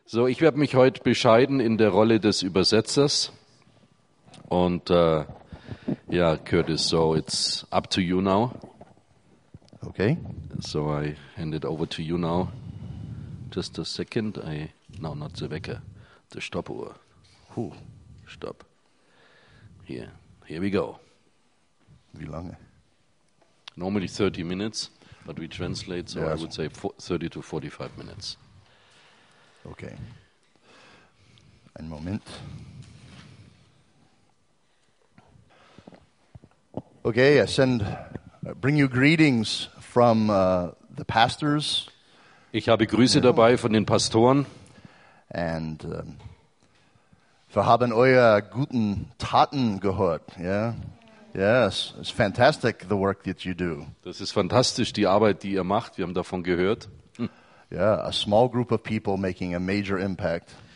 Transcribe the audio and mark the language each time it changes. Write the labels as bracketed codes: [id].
[de] So, ich werde mich heute bescheiden in der Rolle des Übersetzers. Und ja, [en] Curtis, so it's up to you now. Okay. So I hand it over to you now. Just a second. No, not the Wecker. The Stoppuhr. Huh. Stopp. Here we go. [de] Wie lange? [en] Normally 30 minutes, but we translate, so yes. I would say 30 to 45 minutes. [de] Okay. Ein Moment. [en] Okay, I bring you greetings from the pastors. [de] Ich habe Grüße dabei von den Pastoren. And wir haben eure guten Taten gehört, yeah? [en] Yes, it's fantastic the work that you do. [de] Das ist fantastisch die Arbeit die ihr macht, wir haben davon gehört. [en] Yeah, a small group of people making a major impact.